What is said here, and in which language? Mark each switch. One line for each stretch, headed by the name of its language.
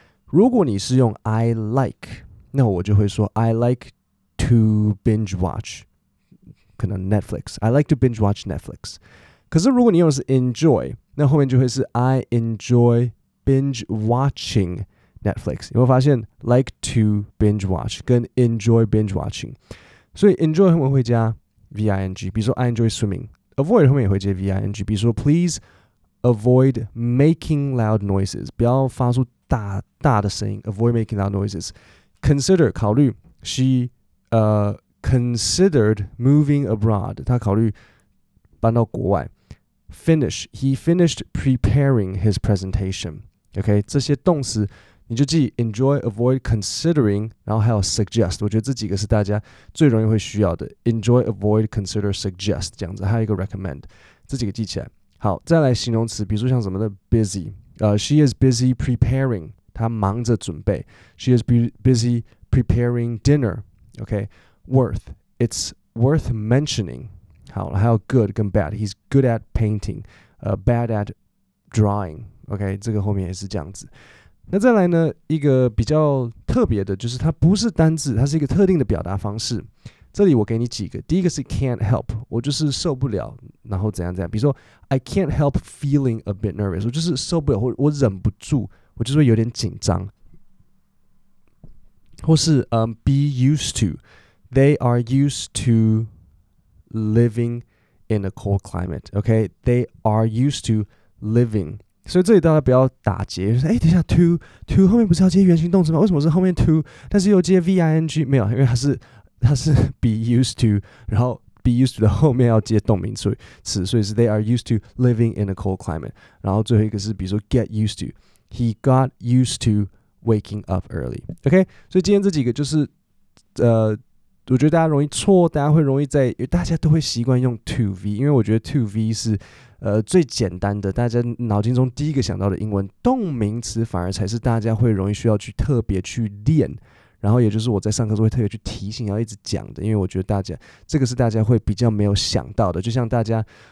Chinese: 如果你是用
English: I like，
Chinese: 那我就会说
English: I like to binge watch，
Chinese: 可能
English: Netflix， I like to binge watch Netflix。
Chinese: 可是如果你用的是 enjoy， 那后面就会是
English: I enjoy binge watching Netflix。
Chinese: 有没有发现
English: like to binge watch
Chinese: 跟
English: enjoy binge watching，
Chinese: 所以 enjoy 后面会加 V-I-N-G， 比如说
English: I enjoy swimming。
Chinese: Avoid 后面也会接 V-I-N-G， 比如说
English: please avoid making loud noises，
Chinese: 不要发出大的声音。
English: Avoid making loud noises。
Chinese: Consider 考虑，
English: she considered moving abroad，
Chinese: 她考虑搬到国外。
English: Finish， he finished preparing his presentation。
Chinese: OK， 这些动词你就记 enjoy、 avoid、 considering， 然后还有 suggest。我觉得这几个是大家最容易会需要的， enjoy、 avoid、 consider、 suggest 这样子，还有一个 recommend。这几个记起来。好，再来形容词，比如说像什么的 busy，
English: she is busy preparing，
Chinese: 她忙着准备。
English: She is busy preparing dinner。 OK， worth， it's worth mentioning。好，
Chinese: 还有
English: good 跟 bad， he's good at painting， bad at drawing。
Chinese: OK， 这个后面也是这样子。那再来呢，一个比较特别的，就是它不是单字，它是一个特定的表达方式。这里我给你几个，第一个是 can't help， 我就是受不了，然后怎样怎样。比如说
English: I can't help feeling a bit nervous，
Chinese: 我就是受不了，或我忍不住，我就是会有点紧张。或是
English: be used to， they are used to living in a cold climate。 OK， they are used to living。
Chinese: 所以这里大家不要打结，就是哎，等一下 to 后面不是要接原形动词吗？为什么是后面 to， 但是又接 ving？没有，因为它是 be used to， 然后 be used to 的后面要接动名词，所以是
English: they are used to living in a cold climate。
Chinese: 然后最后一个是比如说
English: get used to， he got used to waking up early。
Chinese: OK， 所以今天这几个就是我觉得大家容易错，大家会容易在，因为大家都会习惯用 to v， 因为我觉得 to v 是最简单的，大家脑筋中第一个想到的英文动名词，反而才是大家会容易需要去特别去练，然后也就是我在上课时候会特别去提醒，要一直讲的，因为我觉得大家这个是大家会比较没有想到的，就像大家